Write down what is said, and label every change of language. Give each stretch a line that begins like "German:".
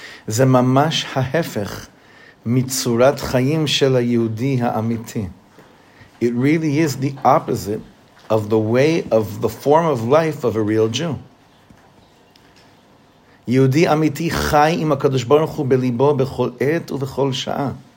Hebrew: זה ממש ההפך מצורת חיים של היהודי האמיתי.
English: It really is the opposite of the way of the form of life of a real Jew.
Hebrew: יהודי אמיתי חי עם הקדוש ברוך הוא בליבו בכל עת ובכל שעה.